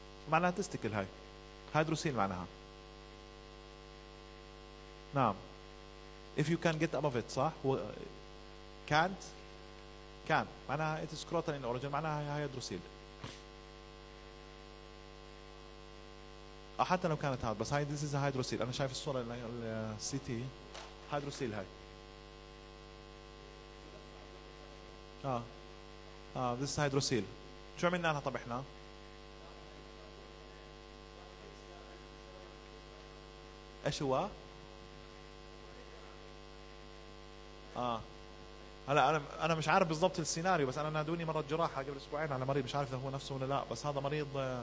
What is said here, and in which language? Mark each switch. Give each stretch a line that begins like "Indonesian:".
Arabic: معناها تستكل هاي هيدروسيل معناها. نعم.
English: If you can get above it
Arabic: صح؟
English: can't can
Arabic: معناها
English: it's scrotal in origin
Arabic: معناها هيدروسيل. حتى لو كانت هاد بس هاي
English: this is a hydrocele.
Arabic: انا شايف الصورة للسي تي هيدروسيل هاي.
English: This is hydrocele.
Arabic: شو عملنا لها طب احنا؟ ايش هو؟ هلا انا مش عارف بالضبط السيناريو، بس انا نادوني مرة جراحة قبل اسبوعين على مريض مش عارف اذا هو نفسه ولا لا، بس هذا مريض